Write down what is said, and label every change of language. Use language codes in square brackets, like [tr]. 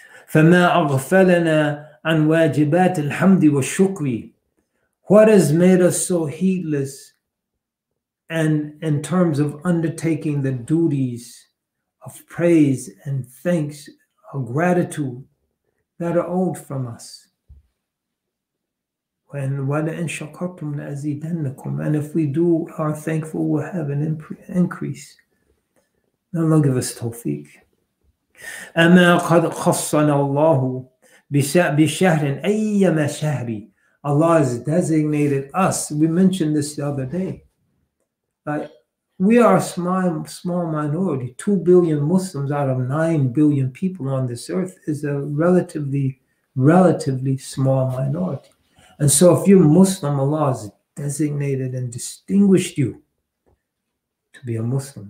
[ar] فَمَا أَغْفَلَنَا عَنْ وَاجِبَاتِ الْحَمْدِ وَالشُّكْرِ, [en] what has made us so heedless and in terms of undertaking the duties of praise and thanks or gratitude that are owed from us. When [ar] وَلَئِنْ شَكَرْتُمْ لَأَزِيدَنَّكُمْ, [en] and if we do are thankful, we'll have an increase. Allah give us tawfiq. [ar] أَمَا قَدْ خَصَّنَا اللَّهُ بِشَهْرٍ أَيَّمَا شَهْرِ, [en] Allah has designated us. We mentioned this the other day. Like, we are a small minority. 2 billion Muslims out of 9 billion people on this earth is a relatively small minority. And so if you're Muslim, Allah has designated and distinguished you to be a Muslim.